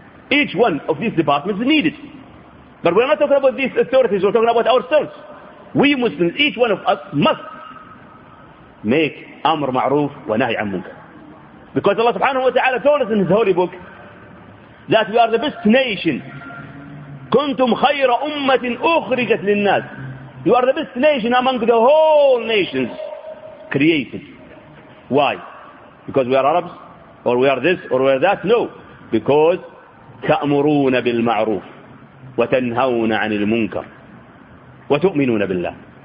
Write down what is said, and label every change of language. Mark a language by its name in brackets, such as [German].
[English] Each one of these departments is needed. But we're not talking about these authorities. We're talking about ourselves. We Muslims, each one of us, must make amr ma'roof wa nahi an munkar. Because Allah subhanahu wa ta'ala told us in His Holy Book that we are the best nation [Arabic] كنتم خير أمة أخرجت للناس. [English] You are the best nation among the whole nations created. Why? Because we are Arabs? Or we are this? Or we are that? No. Because [Arabic] تأمرون بالمعروف وتنهون عن المنكر وتؤمنون بالله.